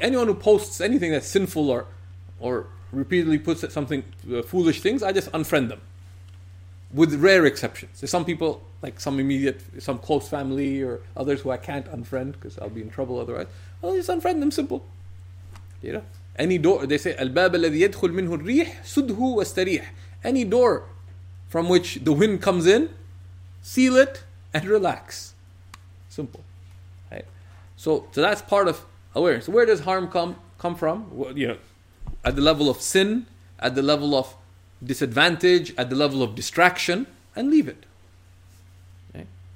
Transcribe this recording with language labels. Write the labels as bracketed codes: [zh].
[en] Anyone who posts anything that's sinful or repeatedly puts something foolish things, I just unfriend them. With rare exceptions. There's some people, like some close family or others who I can't unfriend because I'll be in trouble otherwise. I'll just unfriend them, simple. You know? Any door, they say, [ar] الباب الذي يدخل منه الريح سده واستريح. [en] Any door from which the wind comes in, seal it and relax. Simple. Right? So that's part of awareness. Where does harm come from? Well, at the level of sin, at the level of disadvantage, at the level of distraction, and leave it. Okay?